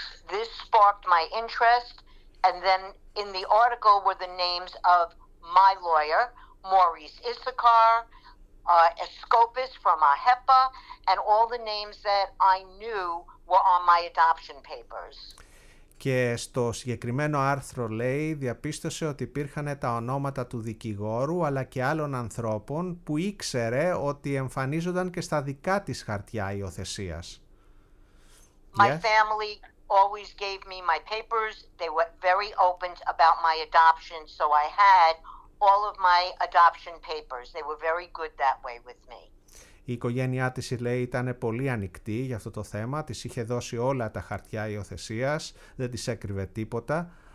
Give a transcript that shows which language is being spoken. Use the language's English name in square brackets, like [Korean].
[English] This sparked my interest, and then in the article were the names of my lawyer, Maurice Issachar, Escopus from AHEPA, and all the names that I knew were on my adoption papers. [Greek] Και στο συγκεκριμένο άρθρο, λέει, διαπίστωσε ότι υπήρχαν τα ονόματα του δικηγόρου αλλά και άλλων ανθρώπων που ήξερε ότι εμφανίζονταν και στα δικά της χαρτιά υιοθεσίας. [English] My family always gave me my papers. They were very open about my adoption, so I had all of my adoption papers. They were very good that way with me. [Greek] Η οικογένειά της, λέει, ήταν πολύ ανοιχτή για αυτό το θέμα. Της είχε δώσει όλα τα χαρτιά υιοθεσίας, δεν της έκρυβε τίποτα.